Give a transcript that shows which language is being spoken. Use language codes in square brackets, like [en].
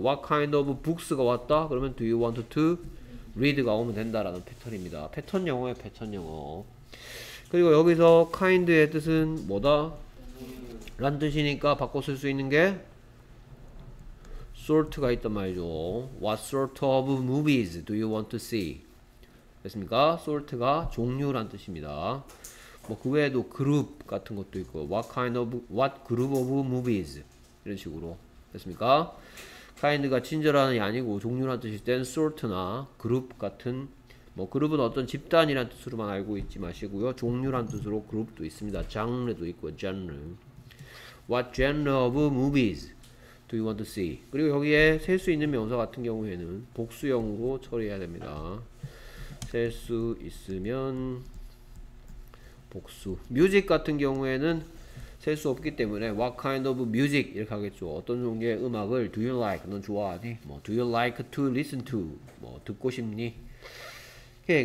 [en] what kind of books [ko] 가 왔다? 그러면, [en] do you want to read [ko] 가 오면 된다라는 패턴입니다. 패턴 영어예요, 패턴 영어. 그리고 여기서 kind의 뜻은 뭐다? 란 뜻이니까 바꿔 쓸수 있는 게, sort가 있단 말이죠. [en] What sort of movies do you want to see? [ko] 됐습니까? sort가 종류란 뜻입니다. 뭐, 그 외에도 group 같은 것도 있고, [en] what group of movies? [ko] 이런 식으로. 됐습니까? kind가 친절한이 아니고 종류란 뜻일 땐 sort나 group 같은, 뭐, group은 어떤 집단이란 뜻으로만 알고 있지 마시고요. 종류란 뜻으로 group도 있습니다. genre도 있고, genre. [en] What genre of movies do you want to see? [ko] 그리고 여기에 셀수 있는 명사 같은 경우에는 복수형으로 처리해야 됩니다. 셀수 있으면 복수. 뮤직 같은 경우에는 셀수 없기 때문에 what kind of music 이렇게 하겠죠. 어떤 종류의 음악을 [en] do you like? [ko] 넌 좋아하니? 뭐 [en] do you like to listen to? [ko] 뭐 듣고 싶니? 오케이.